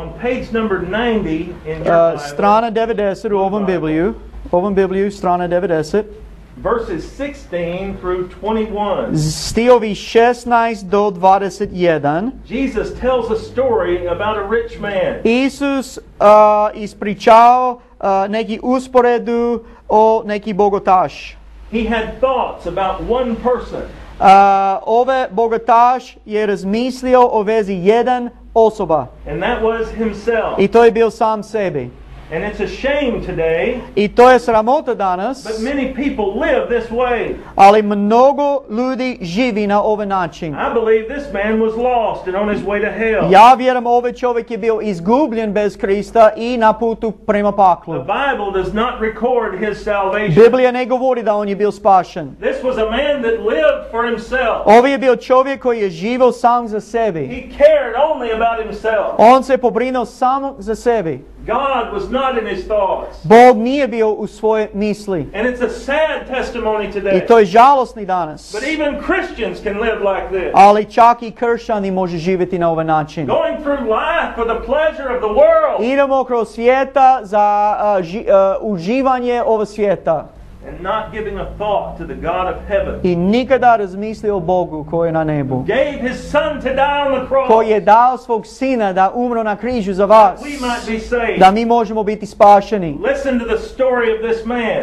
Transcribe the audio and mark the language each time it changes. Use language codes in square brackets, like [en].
[en] On page number 90 in your Bible. [hr] Strana 90 u ovom Bibliju. Ovom Bibliju strana 90. [en] Verses 16 through 21. [hr] Stihovi 16 do 21. [en] Jesus tells a story about a rich man. [hr] Isus ispričao neki usporedu o neki bogataš. [en] He had thoughts about one person. [hr] Ove bogataš je razmislio o vezi jedan osoba. [en] And that was himself. [hr] I to je bio sam sebi. [en] And it's a shame today. [hr] I to je sramota danas. [en] But many people live this way. [hr] Ali mnogo ljudi živi na ovaj način. [en] I believe this man was lost and on his way to hell. [hr] Ja vjerujem ovaj čovjek je bio izgubljen bez Krista i na putu prema paklu. [en] The Bible does not record his salvation. [hr] Biblija ne govori da on je bio spašen. [en] This was a man that lived for himself. [hr] Ovi je bio čovjek koji je živio sam za sebe. [en] He cared only about himself. [hr] On se pobrinuo samo za sebe. [en] God was not in his thoughts. [hr] Bog nije bio u svojoj misli. [en] And it's a sad testimony today. [hr] I to je žalosni danas. [en] But even Christians can live like this. [hr] Ali čak i kršćani može živjeti na ovaj način. [en] Going through life for the pleasure of the world. [hr] Idemo kroz svijeta za uživanje ovog svijeta. [en] And not giving a thought to the God of heaven. [hr] I nikada razmislio o Bogu koji je na nebu. [en] Gave his son to die on the cross. [hr] Koji je dao svog sina da umro na križu za vas. [en] We might be saved. [hr] Da mi možemo biti spašeni. [en] Listen to the story of this man.